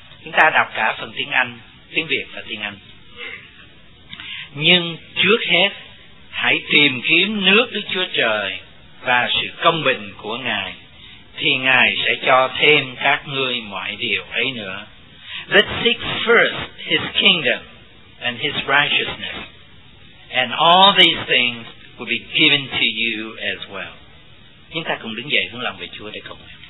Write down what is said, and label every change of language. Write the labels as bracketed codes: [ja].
[vi] Chúng ta đọc cả phần tiếng Anh, tiếng Việt và tiếng Anh. Nhưng trước hết hãy tìm kiếm nước Đức Chúa Trời và sự công bình của Ngài, thì Ngài sẽ cho thêm các ngươi mọi điều ấy nữa. [en] Let's seek first His kingdom and His righteousness, and all these things will be given to you as well. [vi] Chúng ta cùng đứng dậy hướng lòng về Chúa để cầu nguyện.